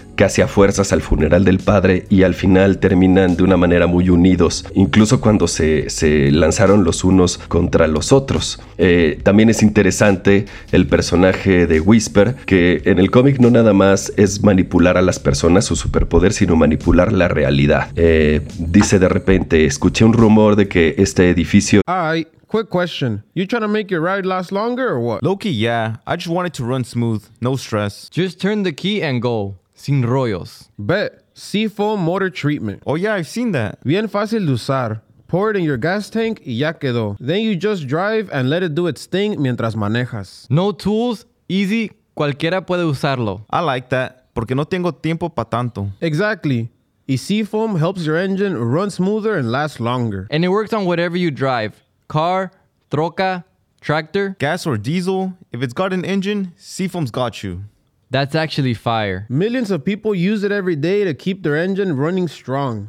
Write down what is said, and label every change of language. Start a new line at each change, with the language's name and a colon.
Spanish: casi a fuerzas al funeral del padre y al final terminan de una manera muy unidos, incluso cuando se lanzaron los unos contra los otros. También es interesante el personaje de Whisper, que en el cómic no nada más es manipular a las personas, su superpoder, sino manipular la realidad. Dice de repente, escuché un rumor de que este edificio...
English: Ay. Quick question. You trying to make your ride last longer or what? Low-key, yeah. I just want it to run smooth. No stress. Just turn the key and go.
Spanish: Sin rollos.
English: Bet. Seafoam motor treatment. Oh yeah, I've seen that.
Spanish: Bien fácil de usar.
English: Pour it in your gas tank
Spanish: y ya quedó.
English: Then you just drive and let it do its thing
Spanish: mientras manejas.
English: No tools. Easy.
Spanish: Cualquiera puede usarlo.
English: I like that.
Spanish: Porque no tengo tiempo pa tanto.
English: Exactly. Y Seafoam helps your engine run smoother and last longer. And it works on whatever you drive. Car, troca, tractor. Gas or diesel. If it's got an engine, Seafoam's got you. That's actually fire. Millions of people use it every day to keep their engine running strong.